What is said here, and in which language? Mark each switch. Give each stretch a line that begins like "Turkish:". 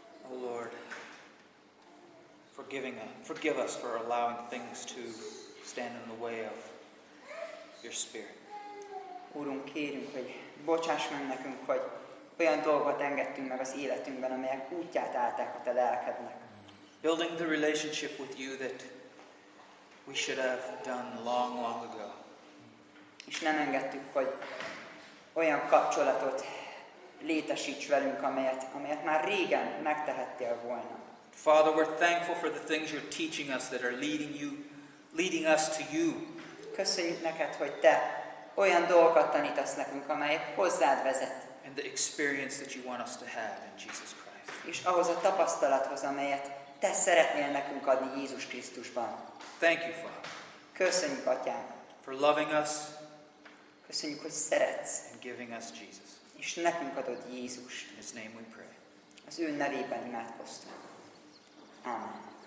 English: Oh Lord, forgive us for allowing things to stand in the way of your spirit.
Hungarian: Úrunk, kérünk, hogy bocsáss meg nekünk, hogy olyan dolgot engedtünk meg az életünkben, amelyek útját állták a te lelkednek.
English: Building the relationship with you that we should have done long, long ago.
Hungarian: És nem engedtük, hogy olyan kapcsolatot létesíts velünk, amelyet már régen megtehettél volna.
English: Father, we're thankful for the things you're teaching us that are leading us to you.
Hungarian: Köszönjük neked, hogy te olyan dolgokat tanítasz nekünk, amelyek hozzád vezet.
English: And the experience that you want us to have in Jesus Christ.
Hungarian: És ahhoz a tapasztalathoz, amelyet te szeretnél nekünk adni Jézus Krisztusban.
English: Thank you, Father.
Hungarian: Köszönjük, Atyám.
English: For loving us.
Hungarian: Köszönjük, hogy szeretsz.
English: And giving us Jesus.
Hungarian: És nekünk adod Jézust.
English: In his name we pray.
Hungarian: Az ő nevében imádkoztunk. Amen.